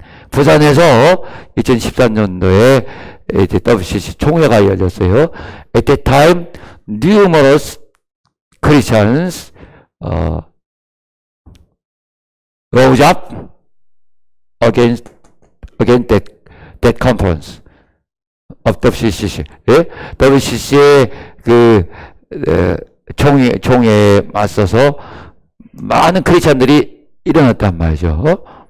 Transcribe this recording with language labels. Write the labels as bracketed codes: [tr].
[ko] 부산에서 2013년도에 이제 WCC 총회가 열렸어요. [en] At that time, numerous Christians rose up against that conference of WCC. [ko] 예? WCC의 그 총회에 맞서서 많은 크리스천들이 일어났단 말이죠.